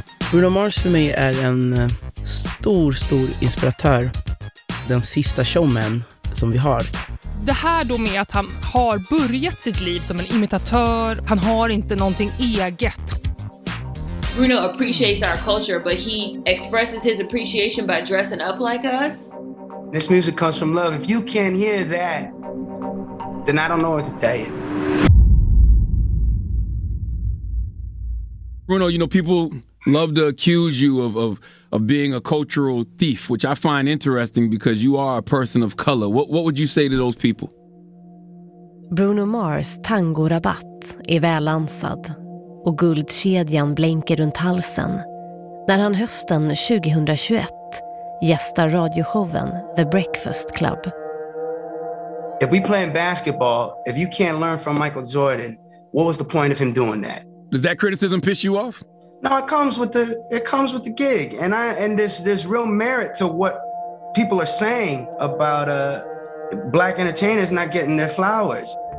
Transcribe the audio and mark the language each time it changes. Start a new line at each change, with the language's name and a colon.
Swedish: Bruno Mars för mig är en stor, stor inspiratör. Den sista showman som vi har. Det här då med att han har börjat sitt liv som en imitatör. Han har inte någonting eget.
English: Bruno appreciates our culture, but he expresses his appreciation by dressing up like us. This music comes from love. If you can't hear that, then I don't know what to tell you. Bruno, you know, people love to accuse you of being a cultural thief, which I find interesting because you are a person of color. What would you say to those people?
Swedish: Bruno Mars tangorabatt är välansad och guldkedjan blänker runt halsen när han hösten 2021 gästar radioshowen The Breakfast Club.
English: If we playing basketball, if you can't learn from Michael Jordan, what was the point of him doing that? Does that criticism piss you off? No, it comes with the gig, and there's real merit to what people are saying about black entertainers not getting their flowers.